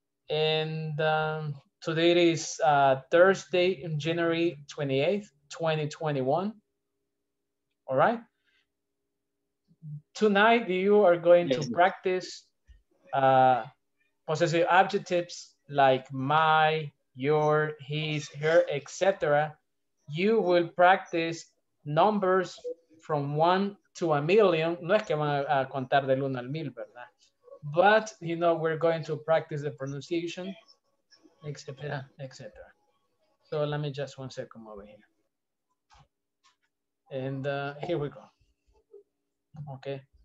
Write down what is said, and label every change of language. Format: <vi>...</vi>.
<en>And today it is Thursday, January 28th, 2021, all right? Tonight you are going to practice possessive adjectives like my, your, his, her, etc. You will practice numbers from 1 to 1,000,000.</en> <es>No es que van a contar del 1 al 1,000, ¿verdad?</es> <en>But, you know, we're going to practice the pronunciation, etc. So let me just one second over here. And here we go. Okay.</en>